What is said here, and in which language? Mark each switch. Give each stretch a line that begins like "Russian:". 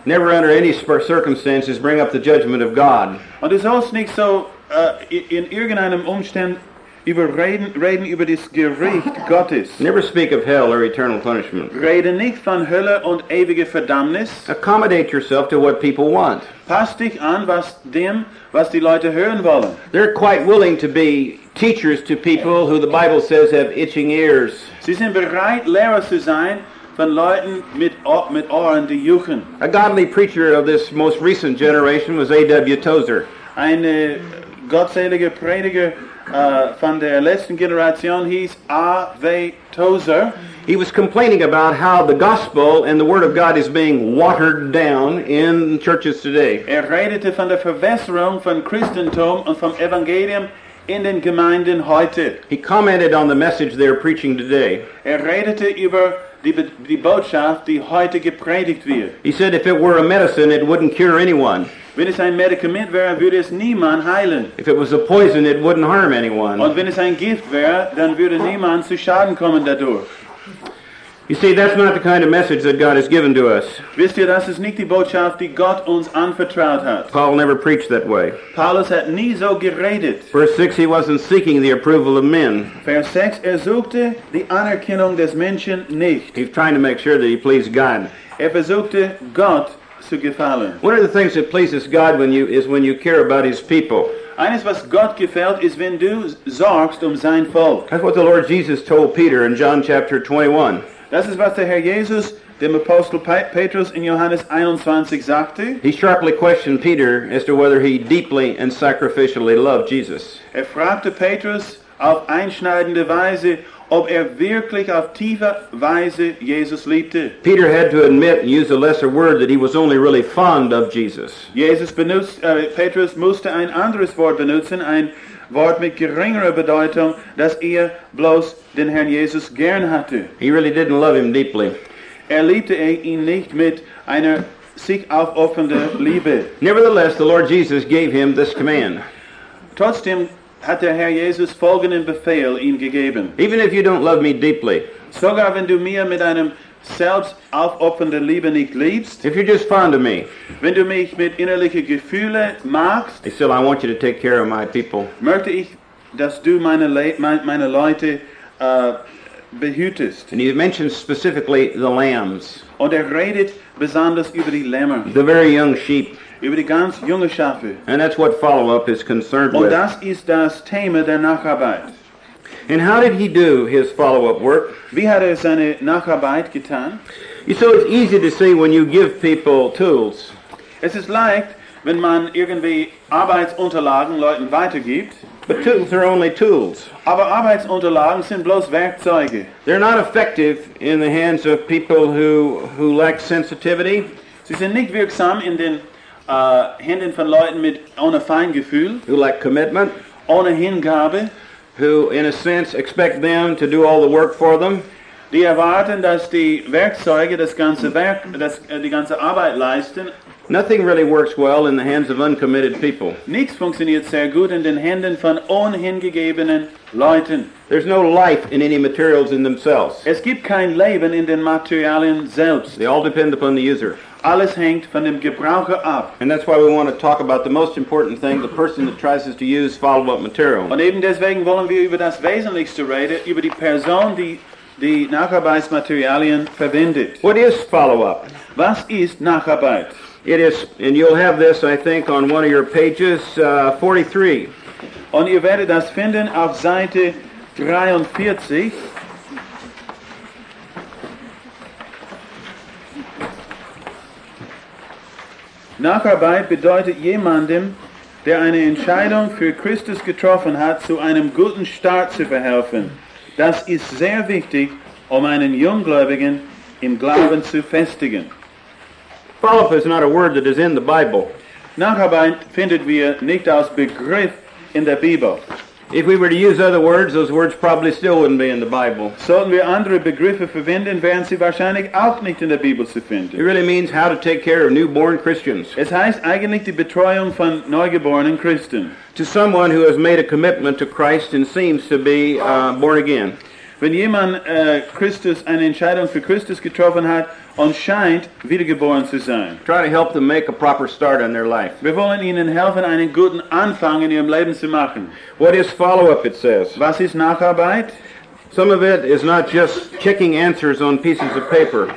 English: Never under any circumstances bring up the judgment of God.
German: Und es ist nicht so, in irgendeinem Umstand reden über das Gericht Gottes.
English: Never speak of hell or eternal punishment.
German: Rede nicht von Hölle und ewige Verdammnis.
English: Accommodate yourself to what people want.
German: Pass dich an, was die Leute hören wollen.
English: They're quite willing to be teachers to people who the Bible says have itching ears.
German: Sie sind bereit, Lehrer zu sein von Leuten mit Ohren, die juchen.
English: A godly preacher of this most recent generation was A.W. Tozer.
German: Ein gottseliger Prediger von der letzten Generation hieß A.W. Tozer.
English: He was complaining about how the gospel and the word of God is being watered down in churches today.
German: Er redete von der Verwässerung von Christentum und vom Evangelium in den Gemeinden heute.
English: He commented on the message they're preaching today.
German: Er redete über die Botschaft, die heute gepredigt wird.
English: He said if it were a medicine, it wouldn't cure anyone.
German: Wenn es ein Medikament wäre, würde es niemand heilen.
English: If it was a poison, it wouldn't harm anyone.
German: Und wenn es ein Gift wäre, dann würde niemand zu Schaden kommen dadurch.
English: You see, that's not the kind of message that God has given to us.
German: Wisst ihr, das ist nicht die Botschaft, die Gott uns anvertraut hat.
English: Paul never preached that way.
German: Paulus hat nie so geredet.
English: Verse 6, he wasn't seeking the approval of men.
German: Vers 6, suchte die Anerkennung des Menschen nicht.
English: He's trying to make sure that he pleased God.
German: Versuchte Gott zu gefallen.
English: One of the things that pleases God when you care about his people.
German: Eines, was Gott gefällt, ist, wenn du sorgst sein Volk.
English: That's what the Lord Jesus told Peter in John chapter 21.
German: Das ist, was der Herr Jesus dem Apostel Petrus in Johannes 21 sagte.
English: He sharply questioned Peter as to whether he deeply and sacrificially loved Jesus.
German: Er fragte Petrus auf einschneidende Weise, ob er wirklich auf tiefe Weise Jesus liebte.
English: Peter had to admit and use a lesser word that he was only really fond of Jesus.
German: Petrus musste ein anderes Wort benutzen, ein Wort mit geringerer Bedeutung, dass er bloß den Herrn Jesus gern hatte.
English: He really didn't love him deeply.
German: Er liebte ihn nicht mit einer sich aufopfernden Liebe.
English: Nevertheless, the Lord Jesus gave him this command.
German: Trotzdem hat der Herr Jesus folgenden Befehl ihm gegeben.
English: Even if you don't love me deeply.
German: Sogar wenn du mir mit einem selbst aufopfernde Liebe nicht liebst,
English: if you're just fond of me,
German: wenn du mich mit innerlichen Gefühlen magst,
English: still I want you to take care of my people,
German: möchte ich, dass du meine Leute behütest.
English: And he mentions specifically the lambs.
German: Und redet besonders über die Lämmer.
English: The very young sheep.
German: Über die ganz junge Schafe.
English: And that's what follow-up is concerned
German: und
English: with.
German: Und das ist das Thema der Nacharbeit.
English: And how did he do his follow-up work?
German: Wie hat seine Nacharbeit getan?
English: So it's easy to see when you give people tools.
German: Es ist leicht, wenn man irgendwie Arbeitsunterlagen Leuten weitergibt.
English: But tools are only tools.
German: Aber Arbeitsunterlagen sind bloß Werkzeuge.
English: They're not effective in the hands of people who lack sensitivity.
German: Sie sind nicht wirksam in den Händen von Leuten mit ohne Feingefühl.
English: Who lack commitment.
German: Ohne Hingabe.
English: Who, in a sense, expect them to do all the work for them.
German: Die erwarten, dass die Werkzeuge das ganze Werk, das, die ganze Arbeit leisten.
English: Nothing really works well in the hands of uncommitted people.
German: Nichts funktioniert sehr gut in den Händen von unhingegebenen Leuten.
English: There's no life in any materials in themselves.
German: Es gibt kein Leben in den Materialien selbst.
English: They all depend upon the user.
German: Alles hängt von dem Gebraucher ab.
English: And that's why we want to talk about the most important thing, the person that tries to use follow-up material.
German: Und eben deswegen wollen wir über das Wesentlichste reden, über die Person, die Nacharbeitsmaterialien verwendet.
English: What is follow-up?
German: Was ist Nacharbeit?
English: It is, and you'll have this, I think, on one of your pages, 43.
German: Und ihr werdet das finden auf Seite 43. Nacharbeit bedeutet jemandem, der eine Entscheidung für Christus getroffen hat, zu einem guten Start zu verhelfen. Das ist sehr wichtig, um einen Junggläubigen im Glauben zu festigen.
English: Follow-up is not a word that is in the Bible.
German: Nacharbeit findet wir nicht als Begriff in der Bibel.
English: If we were to use other words, those words probably still wouldn't be in the Bible.
German: Sollten wir andere Begriffe verwenden, wären sie wahrscheinlich auch nicht in der Bibel zu finden.
English: It really means how to take care of newborn Christians.
German: Es heißt eigentlich die Betreuung von neugeborenen Christen.
English: To someone who has made a commitment to Christ and seems to be born again.
German: Wenn jemand Christus eine Entscheidung für Christus getroffen hat und scheint wiedergeboren zu sein.
English: Try to help them make a proper start in their life.
German: Wir wollen ihnen helfen, einen guten Anfang in ihrem Leben zu machen.
English: What is follow-up, it says?
German: Was ist Nacharbeit?
English: Some of it is not just checking answers on pieces of paper.